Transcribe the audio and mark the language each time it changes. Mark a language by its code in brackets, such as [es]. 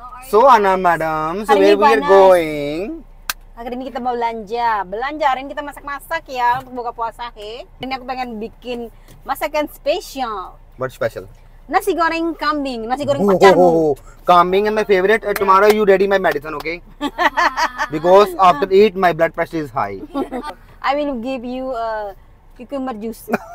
[en] So, Anna Madam, so where we are going? [id] Hari ini kita mau belanja. Belanja, hari ini kita masak-masak ya untuk buka puasa. Hari ini aku pengen bikin masakan spesial. [en] What special? [id] Nasi goreng kambing, nasi goreng pecah. [en] Oh, kambing is my favorite. Tomorrow you ready my medicine, okay? Because after eat, my blood pressure is high. I will give you a cucumber juice.